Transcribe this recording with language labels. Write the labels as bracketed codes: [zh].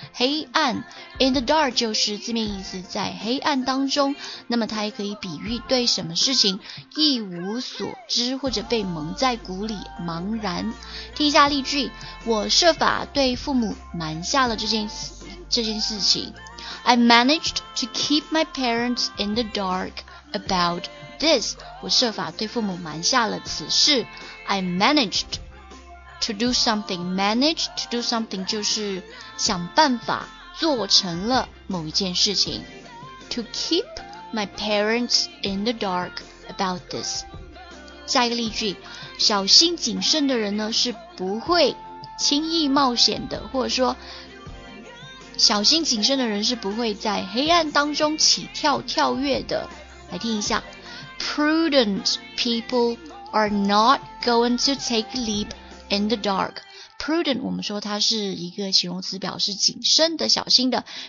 [zh] 黑暗 ,in the dark 就是字面意思，在黑暗当中，那么它也可以比喻对什么事情一无所知，或者被蒙在鼓里茫然。听一下例句，我设法对父母瞒下了这件事情。 [en] I managed to keep my parents in the dark about this. [zh] 我设法对父母瞒下了此事。 [en] I managed to do something, [zh] managed to do something 就是想办法做成了某一件事情。 [en] To keep my parents in the dark about this. [zh] 下一个例句，小心谨慎的人呢是不会轻易冒险的，或者说小心谨慎的人是不会在黑暗当中起跳跳跃的。来听一下， [en] Prudent people are not going to take a leap in the darkprudent [zh] 我们说它是一个形容词，表示谨慎的、小心的。